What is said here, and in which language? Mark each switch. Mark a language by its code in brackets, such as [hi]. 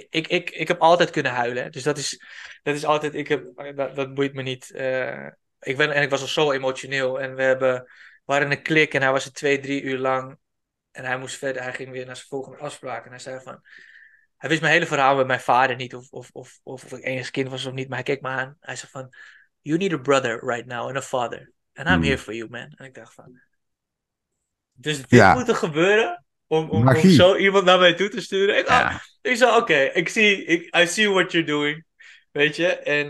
[nl] Ik heb altijd kunnen huilen. Dus dat is altijd... Dat boeit me niet. Ik was al zo emotioneel. En we waren een klik en hij was er 2, 3 uur lang. En hij moest verder. Hij ging weer naar zijn volgende afspraak. En hij zei van... Hij wist mijn hele verhaal met mijn vader niet. Of ik enig kind was of niet. Maar hij keek me aan. Hij zei van... [en] You need a brother right now and a father. And I'm here for you, man. En ik dacht van... [nl] Dus dit moet er gebeuren... Om zo iemand naar mij toe te sturen. Ik zei, oké, I see what you're doing. Weet je?